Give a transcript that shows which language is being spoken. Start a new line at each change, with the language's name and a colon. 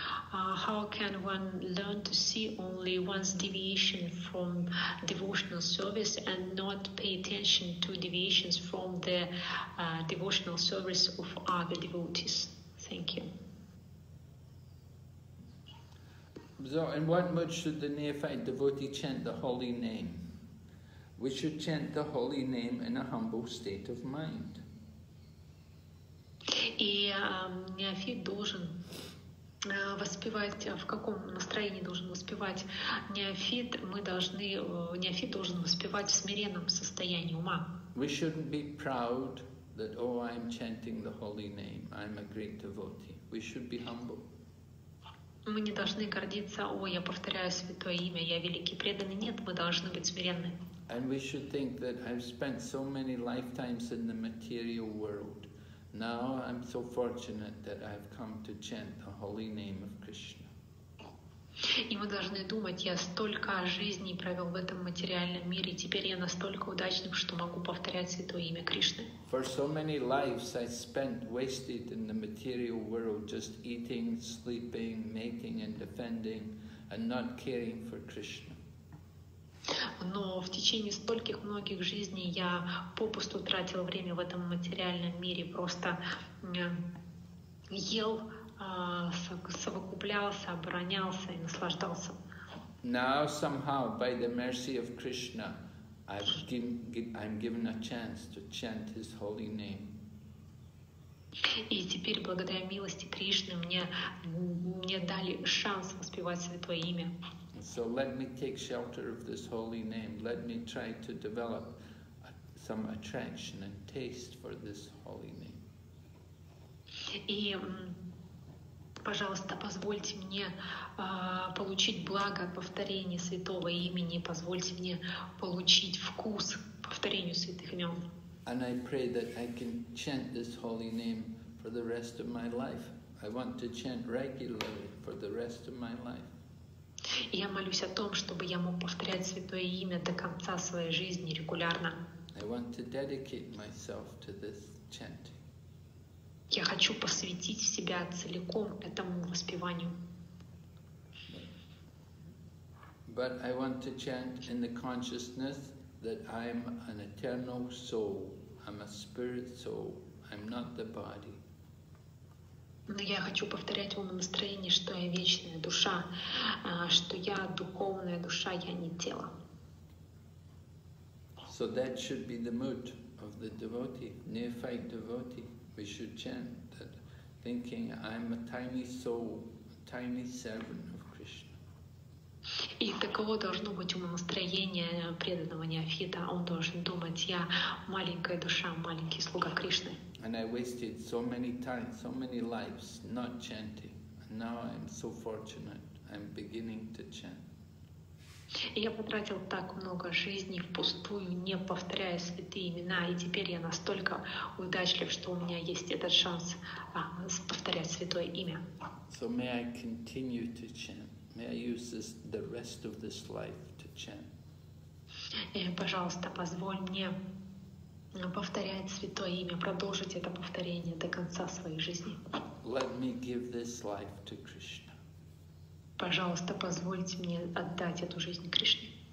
English: How can one learn to see only one's deviation from devotional service and not pay attention to deviations from the devotional service of other devotees? Thank you. So, in what mood should the neophyte devotee chant the holy name? We should chant the holy name in a humble state of mind.
Russian: И неофит должен воспевать, в каком настроении должен воспевать неофит, неофит должен воспевать в смиренном состоянии ума.
English: We shouldn't be proud that, oh, I'm chanting the holy name, I'm a great devotee. We should be humble.
Russian: Мы не должны гордиться, о, я повторяю святое имя, я великий преданный. Нет, мы должны быть смиренны.
English: And we should think that I've spent so many lifetimes in the material world. Now I'm so fortunate that I've come to chant the holy name of Krishna.
Russian: И мы должны думать, я столько жизней провел в этом материальном мире, и теперь я настолько удачлив, что могу повторять святое имя Кришны.
English: For so many lives I spent wasted in the material world, just eating, sleeping, mating and defending, and not caring for Krishna.
Russian: Но в течение стольких многих жизней я попусту тратил время в этом материальном мире, просто ел, совокуплялся, оборонялся и наслаждался.
English: Now somehow, by the mercy of Krishna, I'm given a chance to chant His holy name.
Russian: И теперь, благодаря милости Кришны, мне дали шанс воспевать Святое имя.
English: So let me take shelter of this holy name. Let me try to develop some attraction and taste for this holy name.
Russian: И, пожалуйста, позвольте мне получить благо от повторения святого имени. Позвольте мне получить вкус повторению святых имен.
English: And I pray that I can chant this holy name for the rest of my life. I want to chant regularly for the rest of my life.
Russian: И я молюсь о том, чтобы я мог повторять святое имя до конца своей жизни регулярно.
English: I want to dedicate myself to this chanting.
Russian: Я хочу посвятить себя целиком этому воспеванию.
English: But I want to chant in the consciousness that I'm an eternal soul. I'm a spirit soul. I'm not the body.
Russian: Но я хочу повторять в умном настроении, что я вечная душа, что я духовная душа, я не тело.
English: So that should be the mood of the devotee, neophyte devotee. We should chant that, thinking I'm a tiny soul, a tiny servant of Krishna.
Russian: И таково должно быть умом настроение преданного неофита. Он должен думать, я маленькая душа, маленький слуга Кришны.
English: And I wasted so many times, so many lives not chanting. And now I'm so fortunate, I'm beginning to chant.
Russian: Я потратил так много жизней впустую, не повторяя святые имена, и теперь я настолько удачлив, что у меня есть этот шанс повторять святое имя.
English: So may I continue to chant. May I use this, the rest of this life to chant.
Russian: Пожалуйста, позволь мне повторять святое имя, продолжить это повторение до конца своей жизни.
English: Let me give this life to Krishna.
Russian: Пожалуйста, позвольте мне отдать эту жизнь Кришне.